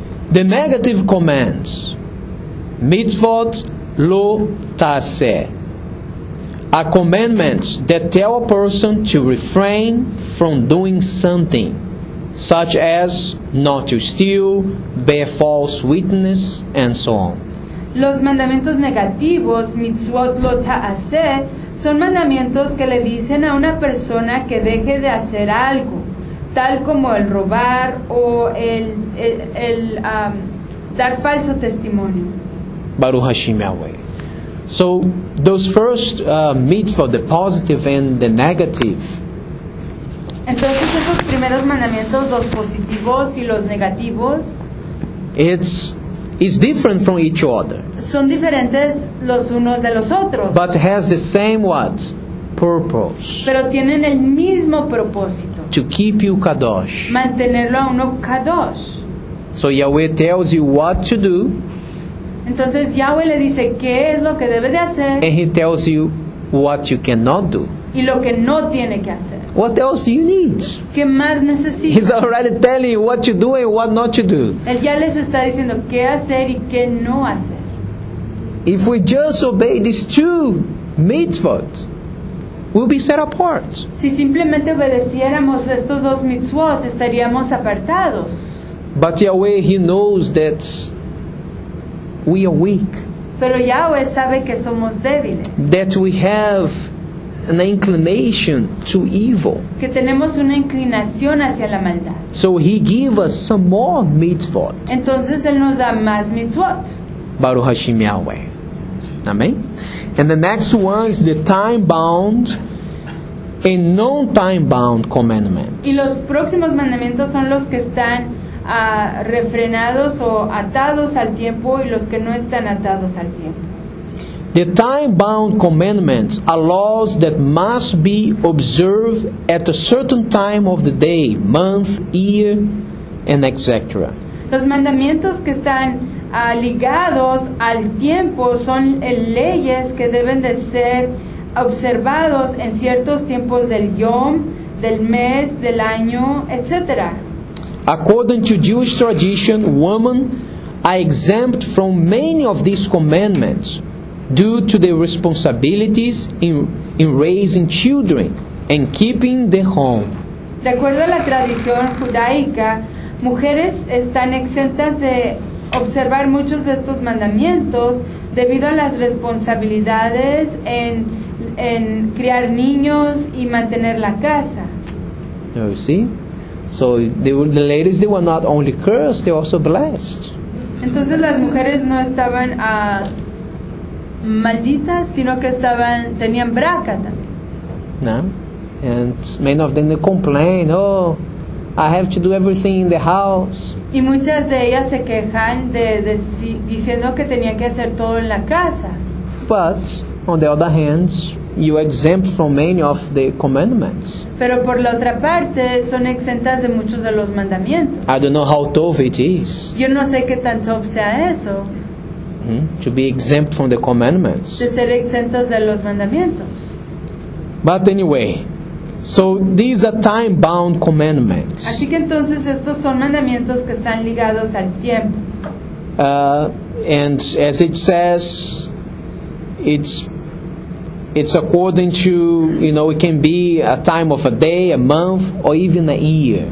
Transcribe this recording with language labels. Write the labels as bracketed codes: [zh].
[en] The negative commands: mitzvot lo taaseh, a commandment that tell a person to refrain from doing something, such as not to steal, bear false witness, and so on. [es] Los mandamientos negativos, mitzvot lo ta'aseh, son mandamientos que le dicen a una persona que deje de hacer algo, tal como el robar o el dar falso testimonio. [he] Baruch Hashem Yahweh. [en] So, those first mitzvot, the positive and the negative. [es] Entonces, esos primeros mandamientos, los positivos y los negativos, [en] is different from each other. [es] Son diferentes los unos de los otros. [en] But has the same what? Purpose. [es] Pero tienen el mismo propósito. [en] To keep you kadosh. [es] Mantenerlo a uno kadosh. [en] So Yahweh tells you what to do. [es] Entonces Yahweh le dice qué es lo que debe de hacer. [en] And He tells you what you cannot do. [es] Y lo que no tiene que hacer. [en] What else you need? [es] ¿Qué más necesita? [en] He's already telling you what to do and what not to do. [es] Él ya les está diciendo qué hacer y qué no hacer. [en] If we just obey these two mitzvot, we'll be set apart. [es] Si simplemente obedeciéramos estos dos mitzvot, estaríamos apartados. [en] But Yahweh, He knows that we are weak. [es] Pero Yahweh sabe que somos débiles. [en] That we have an inclination to evil. [es] Que tenemos una inclinación hacia la maldad. [en] So He gives us some more mitzvot. [es] Entonces Él nos da más mitzvot. [he] Baruch Hashem Yahweh. Amen? [en] And the next one is the time-bound and non-time-bound commandments. [es] Y los próximos mandamientos son los que están refrenados o atados al tiempo y los que no están atados al tiempo. [en] The time-bound commandments are laws that must be observed at a certain time of the day, month, year, and etc. [es] Los mandamientos que están ligados al tiempo son leyes que deben de ser observados en ciertos tiempos del yom, del mes, del año, etc. [en] According to Jewish tradition, women are exempt from many of these commandments due to their responsibilities in raising children and keeping the home. [es] De acuerdo a la tradición judaica, mujeres están exentas de observar muchos de estos mandamientos debido a las responsabilidades en criar niños y mantener la casa. [en] You see? So the ladies, they were not only cursed, they were also blessed. [es] Entonces las mujeres no estaban malditas, sino que estaban, tenían braca también. [en] Yeah. And many of them complain, I have to do everything in the house. [es] Y muchas de ellas se quejan de diciendo que tenían que hacer todo en la casa. [en] But on the other hand, you are exempt from many of the commandments. [es] Pero por la otra parte, son exentas de muchos de los mandamientos. [en] I don't know how tough it is. [es] Yo no sé qué tan tough sea eso. [en] To be exempt from the commandments. [es] De ser exentos de los mandamientos. [en] But anyway, so these are time-bound commandments. [es] Así que entonces estos son mandamientos que están ligados al tiempo. [en] And as it says, it's according to, you know, it can be a time of a day, a month, or even a year.